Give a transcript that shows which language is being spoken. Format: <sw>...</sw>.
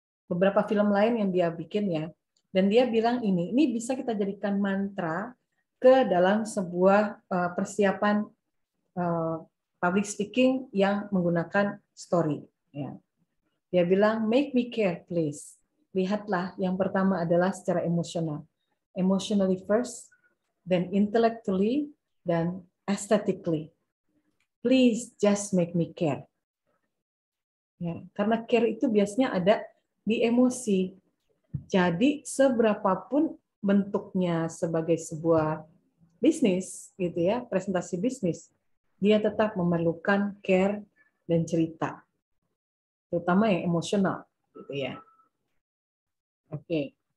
<id>Beberapa film lain yang dia bikin ya. Dan dia bilang ini bisa kita jadikan mantra ke dalam sebuah persiapan public speaking yang menggunakan story. Ya. Dia bilang,</id> <en>make me care, please.</en> <id>Lihatlah, yang pertama adalah secara emosional.</id> <en>Emotionally first, then intellectually, then aesthetically. Please just make me care.</en> <id>Ya. Karena care itu biasanya ada di emosi. Jadi, seberapapun bentuknya sebagai sebuah bisnis gitu ya, presentasi bisnis, dia tetap memerlukan care dan cerita, terutama yang emosional gitu ya. Oke.</id>